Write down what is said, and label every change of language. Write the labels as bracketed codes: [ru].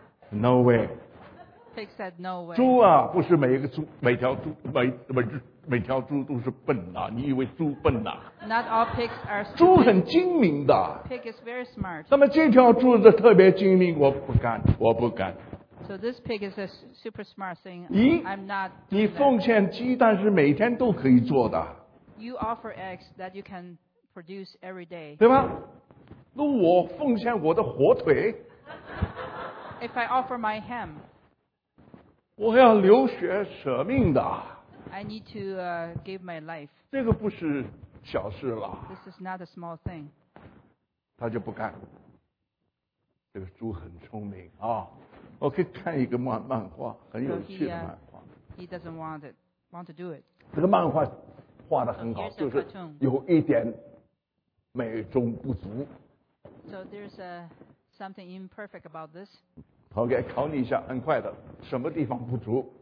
[en] No way. Pig said no way. [zh] 猪啊，不是每一个猪，每条猪，每条猪都是笨呐、啊？你以为猪笨呐、啊、 [en] ？Not all pigs are stupid. [zh] 猪很精明的。 [en] Pig is very smart. [zh] 那么这条猪是特别精明，我不干，我不干。 [en] So this pig is a super smart thing. I'm not. [zh] 你奉献鸡蛋是每天都可以做的。 [en] You offer eggs that you can produce every day. [zh] 对吧？那我奉献我的火腿。 [en] If I offer my ham. [zh] 我要流血舍命的。 [en] I need to give my life. [zh] 这个不是小事了。 [en] This is not a small thing. [zh] 他就不干。这个猪很聪明啊。我可以看一个漫画，很有趣的漫画。 [en] He doesn't want it, want to do it. [zh] 这个漫画画得很好，就是有一点美中不足。 [en] So there's a something imperfect about this. [zh] OK, 考你一下，很快的，什么地方不足？